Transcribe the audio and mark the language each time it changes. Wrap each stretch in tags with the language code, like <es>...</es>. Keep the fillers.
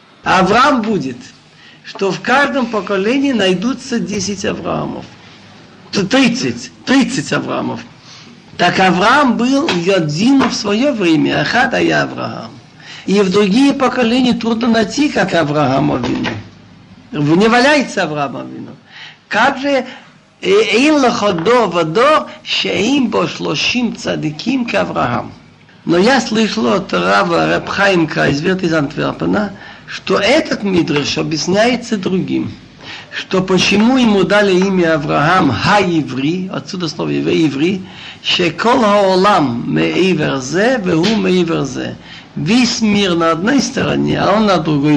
<ru>Авраам будет, что в каждом поколении найдутся 10 Авраамов. 30, 30 Авраамов. Так Авраам был один в свое время, Ахад я Авраам. И в другие поколения трудно найти, как Авраама вину. Не валяется Авраама вину. Как же</ru> <he>אין לך דור ודור שאין בו שלושים צדיקים כאברהם.</he> <ru>Но я слышал от Рава Рабхаимка из Верт из Антверпена, что этот Мидриш объясняется другим, что почему ему дали имя Авраам Ха-Иври, отсюда слово еврей,</ru> <he>Шекол Хаолам Меиверзе, Веху Меиверзе</he> <ru>весь мир на одной стороне, а он на другой.</ru>